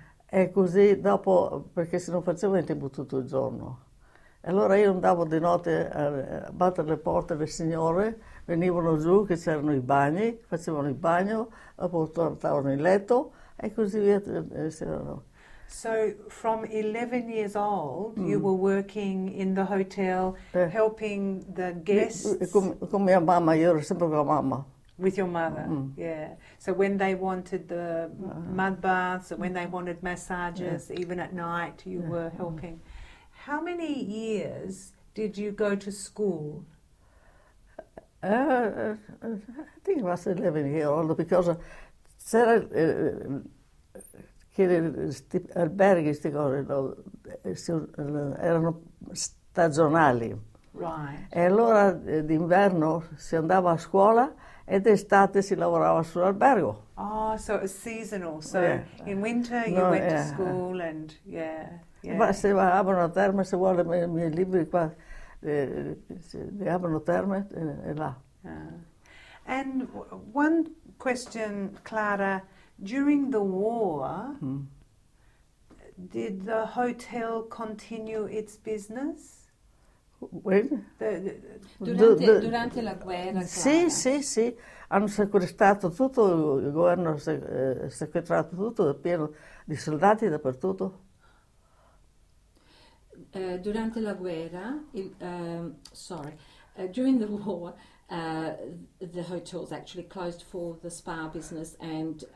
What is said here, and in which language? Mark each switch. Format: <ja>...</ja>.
<it>E così dopo, perché se non facevo in tempo tutto il giorno. E allora io andavo di notte a battere le porte, le signore venivano giù, che c'erano i bagni, facevano il bagno, dopo tornavano in letto e così via.</it> <en>So, from 11 years old, you were working in the hotel, helping the guests</en> <it>Con mia mamma, io ero sempre con la mamma.</it> <en>with your mother. Yeah. So, when they wanted the mud baths, or when they wanted massages, even at night, you were helping. How many years did you go to school? I think it was 11 years old, because</en> <it>c'era che sti alberghi, queste cose, no, erano stagionali.</it> <en>Right.</en> <it>E allora d'inverno si andava a scuola ed estate si lavorava sull'albergo.</it> <en>Oh, so it was seasonal. So in winter you went to school and</en> <it>Ma se va a Abano Terme, se vuole i miei libri qua,</it> <en>They have no termet e là. And one question, Clara, during the war, did the hotel continue its business?</en> <it>Durante la guerra, sì, Clara. Sì, sì, hanno sequestrato tutto, il governo ha sequestrato tutto, è pieno di soldati dappertutto. Durante la guerra,</it> <en>during the war, the hotel was actually closed for the spa business and</en>